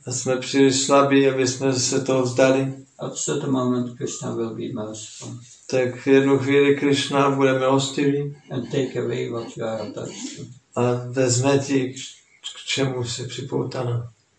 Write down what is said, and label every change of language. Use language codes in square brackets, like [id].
[cs] A jsme příliš slabí, aby jsme se toho vzdali. [en] At certain moment Krishna will be merciful. [cs] Tak v jednu chvíli Krishna bude milostivý. [en] And take away what you are attached to. [cs] a vezme ti, k čemu jsi připoutaná.